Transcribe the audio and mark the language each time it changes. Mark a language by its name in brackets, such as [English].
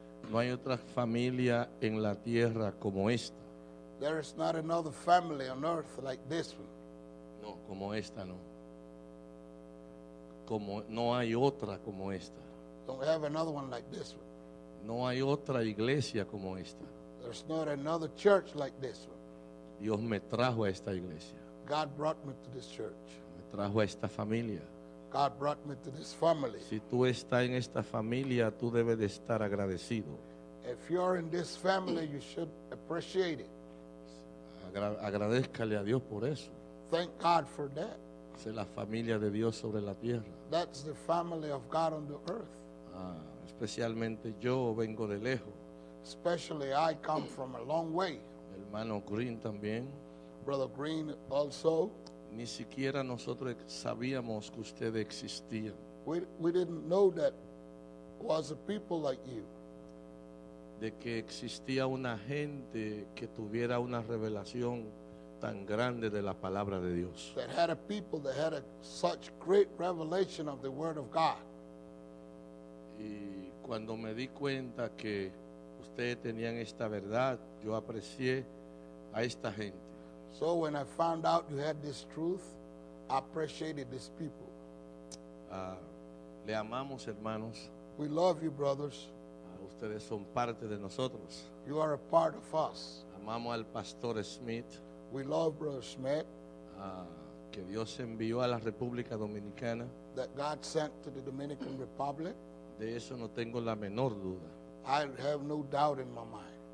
[Spanish] No hay otra familia en la tierra como esta. [English] There is not another family on earth like this one. [Spanish] No, como esta no. Como, no hay otra como esta. [English] Don't have another one like this one. [Spanish] No hay otra iglesia como esta. [English] There's not another church like this one. [Spanish] Dios me trajo a esta iglesia. [English] God brought me to this church. [Spanish] Me trajo a esta familia. [English] God brought me to this family. [Spanish] Si tú estás en esta familia, tú debes de estar agradecido. [English] If you're in this family, you should appreciate it. [Spanish] Agradezcale a Dios por eso. [English] Thank God for that. [Spanish] Es la familia de Dios sobre la tierra. [English] That's the family of God on the earth. [Spanish] Especialmente yo vengo de lejos. [English] Especially I come from a long way. [Spanish] Hermano Green también. [English] Brother Green also. [Spanish] Ni siquiera nosotros sabíamos que ustedes existían. [English] We didn't know that was a people like you. [Spanish] De que existía una gente que tuviera una revelación tan grande de la palabra de Dios. [English] That had a people that had a such great revelation of the word of God. [Spanish] Y cuando me di cuenta que ustedes tenían esta verdad, yo aprecié a esta gente. [English] So when I found out you had this truth, I appreciated these people. [Spanish] Le amamos, hermanos. [English] We love you, brothers. [Spanish] Ustedes son parte de nosotros. [English] You are a part of us. [Spanish] Amamos al pastor Smith. [English] We love Brother Smith. [Spanish] Que Dios envió a la República Dominicana. [English] That God sent to the Dominican Republic. [Spanish] De eso no tengo la menor duda. [English] I have no doubt in my mind.